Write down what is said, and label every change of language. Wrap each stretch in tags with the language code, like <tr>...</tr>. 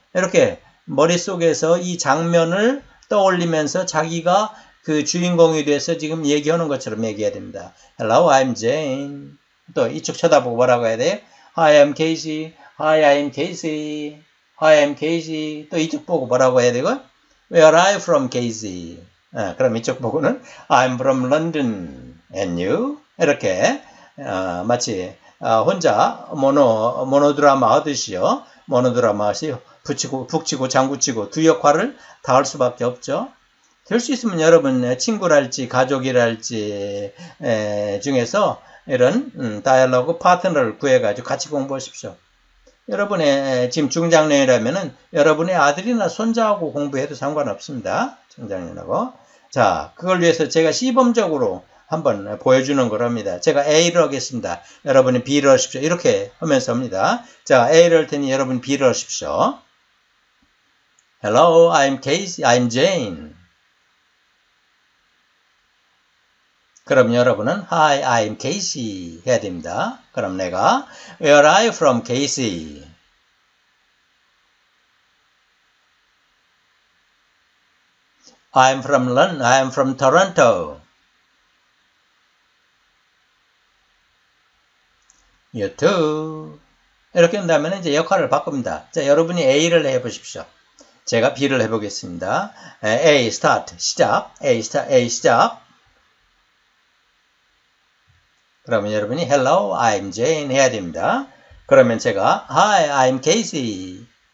<ko>이렇게 머릿속에서 이 장면을 떠올리면서 자기가 그 주인공이 돼서 지금 얘기하는 것처럼 얘기해야 됩니다.</ko> <en>Hello, I'm Jane.</en> <ko>또 이쪽 쳐다보고 뭐라고 해야 돼요?</ko> <en>Hi, I'm Casey. Hi, I'm Casey. Hi, I'm Casey.</en> <ko>또 이쪽 보고 뭐라고 해야 되고?</ko> <en>Where are you from, Casey?</en> <ko>그럼 이쪽 보고는</ko> <en>I'm from London. And you?</en> <ko>이렇게 마치 혼자 모노드라마 하듯이요. 모노드라마 하시오. 북치고 장구치고 두 역할을 다 할 수밖에 없죠. 될 수 있으면 여러분 친구랄지 가족이랄지 중에서 이런 다이얼로그 파트너를 구해가지고 같이 공부하십시오. 여러분의 지금 중장년이라면은 여러분의 아들이나 손자하고 공부해도 상관없습니다. 중장년하고. 자, 그걸 위해서 제가 시범적으로 한번 보여주는 거랍니다. 제가 A를 하겠습니다. 여러분이 B를 하십시오. 이렇게 하면서 합니다. 자, A를 할 테니 여러분 B를 하십시오.</ko> <en>Hello, I'm Casey. I'm Jane.</en> <ko>그럼 여러분은</ko> <en>Hi, I'm Casey</en> <ko>해야 됩니다. 그럼 내가</ko> <en>Where are you from, Casey? 'I'm from Toronto. 'You too.'</en> <ko>이렇게 한다면 이제 역할을 바꿉니다. 자, 여러분이 A를 해보십시오. 제가 B를 해보겠습니다.</ko> <en>A start 시작. A start A 시작.</en> <ko>그러면 여러분이</ko> <en>Hello, I'm Jane</en> <ko>해야 됩니다. 그러면 제가</ko> <en>Hi, I'm Casey.</en>